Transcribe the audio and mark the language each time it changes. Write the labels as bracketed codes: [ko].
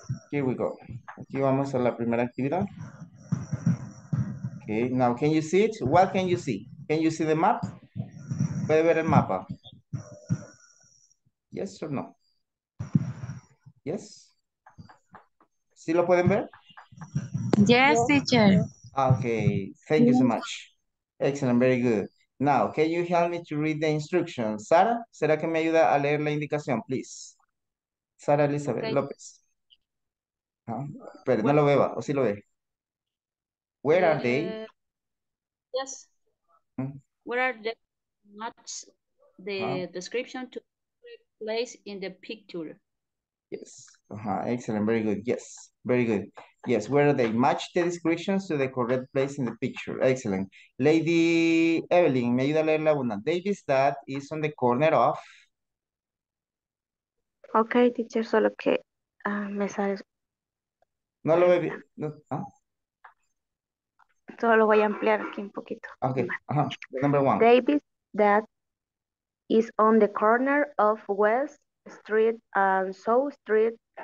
[en] Here we go. [es] Aquí vamos a la primera actividad. [en] Okay, now can you see it? What can you see? Can you see the map? [es] ¿Puede ver el mapa? [en] Yes or no? Yes. [es] ¿Sí lo pueden ver? [en] Yes, teacher. Okay, thank you so much. Excellent, very good. Now, can you help me to read the instructions? [es] Sara, ¿será que me ayuda a leer la indicación, please? Sara Elizabeth [en] Okay. [es] López. Pero no lo veo, ¿o sí lo ve? [en] Where are they? Yes. Where are the maps, the description to place in the picture? Yes. Excellent. Very good. Yes. Very good. Yes. Where are they? Match the descriptions to the correct place in the picture. Excellent. [es] Lady Evelyn, me ayuda a leer la una. [en] Davis, that is on the corner of. [es] Okay, teacher, solo que me sale No lo ve bien. No, ¿ah? Todo lo voy a ampliar aquí un poquito. [en] Ok, ajá. Number one. David, that is on the corner of West Street and South Street.